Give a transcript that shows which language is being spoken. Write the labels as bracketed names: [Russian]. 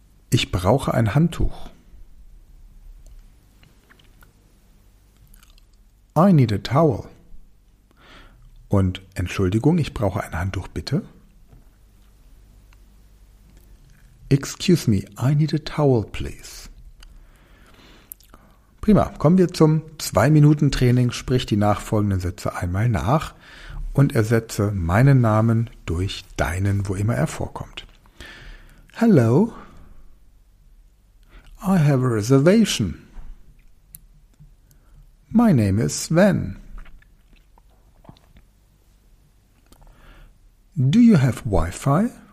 [German] Ich brauche ein Handtuch. [English] I need a towel. [German] Und Entschuldigung, ich brauche ein Handtuch, bitte. [English] Excuse me, I need a towel, please. [German] Prima, kommen wir zum 2-Minuten-Training. Sprich die nachfolgenden Sätze einmal nach und ersetze meinen Namen durch deinen, wo immer er vorkommt. [English] Hello, I have a reservation. My name is Sven. Do you have Wi-Fi?